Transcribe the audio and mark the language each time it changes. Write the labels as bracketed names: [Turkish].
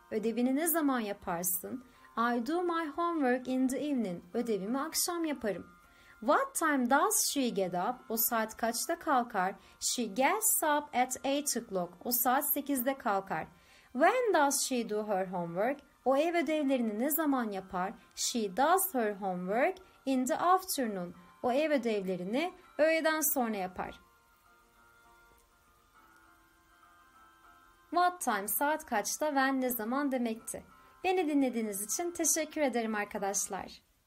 [Turkish] Ödevini ne zaman yaparsın? [English] I do my homework in the evening. [Turkish] Ödevimi akşam yaparım. [English] What time does she get up? [Turkish] O saat kaçta kalkar? [English] She gets up at 8 o'clock. [Turkish] O saat 8'de kalkar. [English] When does she do her homework? [Turkish] O ev ödevlerini ne zaman yapar? [English] She does her homework in the afternoon. [Turkish] O ev ödevlerini öğleden sonra yapar. [English] What time, [Turkish] saat kaçta, when, ne zaman demekti. Beni dinlediğiniz için teşekkür ederim arkadaşlar.